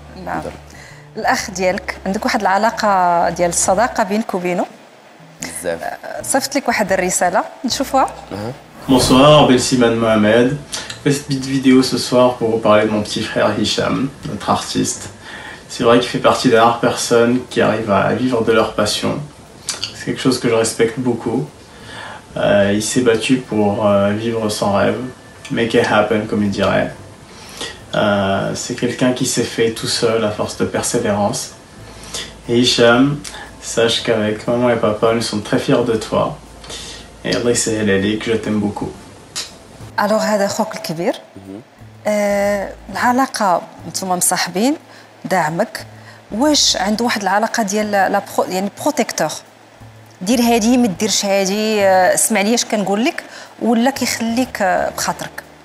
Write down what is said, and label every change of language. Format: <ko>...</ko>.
<ar>نعم الاخ ديالك عندك واحد العلاقه ديال الصداقه بينك وبينه بزاف صيفط لك واحد الرساله نشوفوها.</ar> <fr>Bonsoir, Belsimane Mohamed. Petite vidéo ce soir pour vous parler de mon petit frère Hicham, notre artiste. C'est vrai qu'il fait partie des rares personnes qui arrivent à vivre de leur passion. C'est quelque chose que je respecte beaucoup. Il s'est battu pour vivre sans rêve.</fr> <en>Make it happen,</en> <fr>comme il dirait. C'est quelqu'un qui s'est fait tout seul à force de persévérance. Et Hicham, sache qu'avec maman et papa, nous sommes très fiers de toi. Et</fr> <ar>Allah yesahel alik,</ar> <fr>je t'aime beaucoup. Alors,</fr> <ar>هذا خوك الكبير. العلاقة نتوما مصاحبين داعمك واش عنده واحد العلاقة ديال لا يعني بروتيكتور دير هذه ما ديرش هذه اسمع ليا اش كنقول لك ولا كيخليك بخاطرك؟</ar>